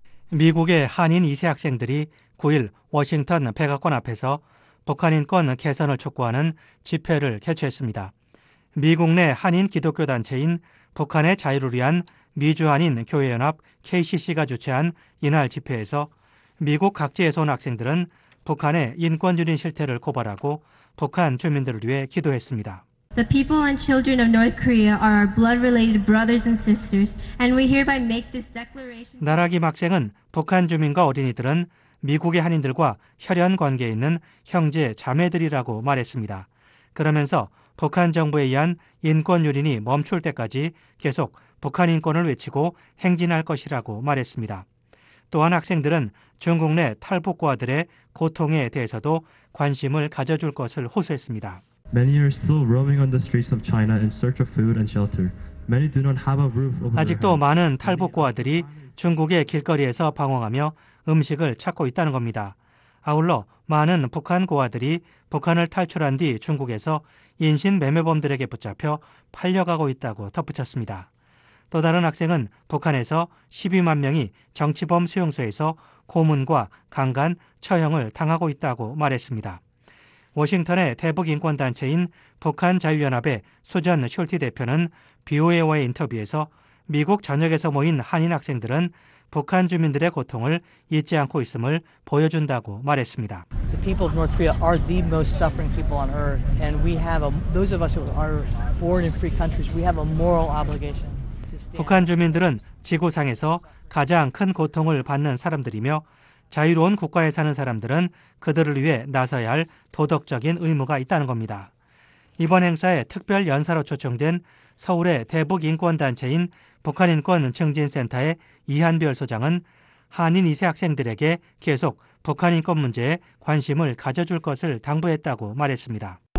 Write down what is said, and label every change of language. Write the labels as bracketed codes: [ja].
[ko] 미국의 한인 2세 학생들이 9일 워싱턴 백악관 앞에서 북한 인권 개선을 촉구하는 집회를 개최했습니다. 미국 내 한인 기독교 단체인 북한의 자유를 위한 미주한인 교회연합 KCC가 주최한 이날 집회에서 미국 각지에서 온 학생들은 북한의 인권유린 실태를 고발하고 북한 주민들을 위해 기도했습니다. [en] The people and children of North Korea are our blood-related brothers and sisters, and we hereby make this declaration. [ko] 나라김 학생은 북한 주민과 어린이들은 미국의 한인들과 혈연 관계에 있는 형제, 자매들이라고 말했습니다. 그러면서 북한 정부에 의한 인권유린이 멈출 때까지 계속 북한 인권을 외치고 행진할 것이라고 말했습니다. 또한 학생들은 중국 내 탈북자들의 고통에 대해서도 관심을 가져줄 것을 호소했습니다. [en] Many are still roaming on the streets of China in search of food and shelter. Many do not have a roof over their head. [ko] 아직도 많은 탈북자들이 중국의 길거리에서 방황하며 음식을 찾고 있다는 겁니다. 아울러 많은 북한 고아들이 북한을 탈출한 뒤 중국에서 인신 매매범들에게 붙잡혀 팔려가고 있다고 덧붙였습니다. 또 다른 학생은 북한에서 12만 명이 정치범 수용소에서 고문과 강간, 처형을 당하고 있다고 말했습니다. 워싱턴의 대북인권단체인 북한자유연합의 수전 숄티 대표는 BOA와의 인터뷰에서 미국 전역에서 모인 한인 학생들은 북한 주민들의 고통을 잊지 않고 있음을 보여준다고 말했습니다. [en] The people of North Korea are the most suffering people on earth, and we have those of us who are born in free countries, we have a moral obligation. [ko] 북한 주민들은 지구상에서 가장 큰 고통을 받는 사람들이며 자유로운 국가에 사는 사람들은 그들을 위해 나서야 할 도덕적인 의무가 있다는 겁니다. 이번 행사에 특별 연사로 초청된 서울의 대북인권단체인 북한인권증진센터의 이한별 소장은 한인 2세 학생들에게 계속 북한인권 문제에 관심을 가져줄 것을 당부했다고 말했습니다.